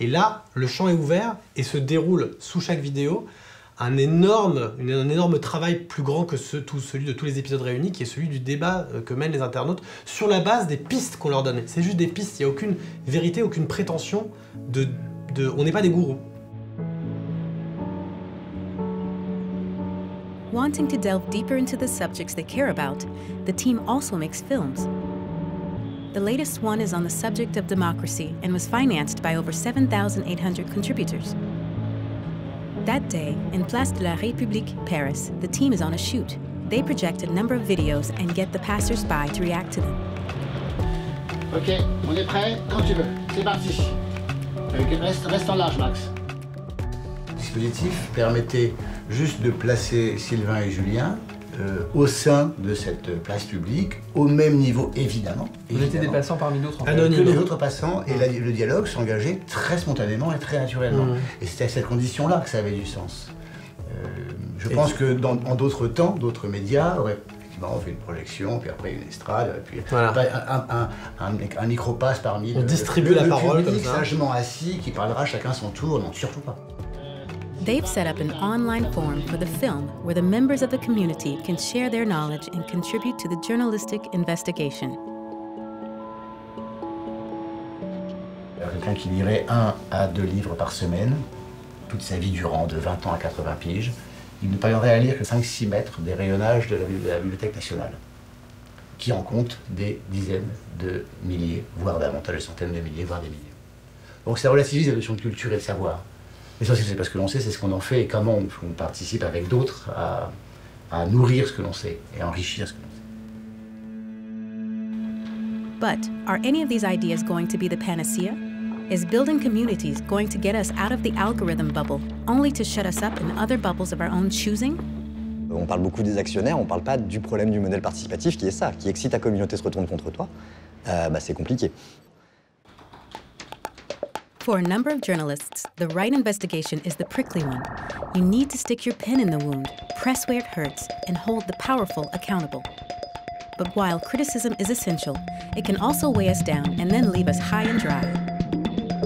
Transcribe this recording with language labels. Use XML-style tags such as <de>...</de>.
<fr>Et là, le champ est ouvert, et se déroule sous chaque vidéo, un énorme travail plus grand que celui de tous les épisodes réunis, qui est celui du débat que mènent les internautes sur la base des pistes qu'on leur donne. C'est juste des pistes, il n'y a aucune vérité, aucune prétention de on n'est pas des gourous.</fr> <en>Wanting to delve deeper into the subjects they care about, the team also makes films. The latest one is on the subject of democracy and was financed by over 7,800 contributors. That day, in Place de la République, Paris, the team is on a shoot. They project a number of videos and get the passers-by to react to them.</en> <fr>Ok, on est prêt quand tu veux. C'est parti. Reste en large, Max. dispositif permettait juste de placer Sylvain et Julien au sein de cette place publique, au même niveau, évidemment. Vous étiez des passants parmi d'autres. Anonymes. Les autres passants, et le dialogue s'engageait très spontanément et très naturellement. Mmh. Et c'était à cette condition-là que ça avait du sens. Je pense que dans d'autres temps, d'autres médias auraient... Bon, on fait une projection, puis après une estrade, puis voilà. un micro passe parmi on distribue la parole public, comme ça. Sagement assis, qui parlera chacun son tour, non, surtout pas.</fr> <en>They've set up an online forum for the film where the members of the community can share their knowledge and contribute to the journalistic investigation.</en> <fr>Quelqu'un qui lirait un à deux livres par semaine, toute sa vie durant, de 20 ans à 80 piges, il ne parviendrait à lire que 5-6 mètres des rayonnages de la Bibliothèque nationale, qui en compte des dizaines de milliers, voire davantage, des centaines de milliers, voire des milliers. Donc ça relativise la notion de culture et de savoir. Mais ça, c'est parce que l'on sait, c'est ce qu'on en fait et comment on participe avec d'autres à nourrir ce que l'on sait et à enrichir ce que l'on sait.</fr> <en>But are any of these ideas going to be the panacea? Is building communities going to get us out of the algorithm bubble, only to shut us up in other bubbles of our own choosing?</en> <fr>On parle beaucoup des actionnaires, on parle pas du problème du modèle participatif qui est ça, qui est que si ta communauté se retourne contre toi, c'est compliqué.</fr> <en>For a number of journalists, the right investigation is the prickly one. You need to stick your pen in the wound, press where it hurts, and hold the powerful accountable. But while criticism is essential, it can also weigh us down and then leave us high and dry.</en>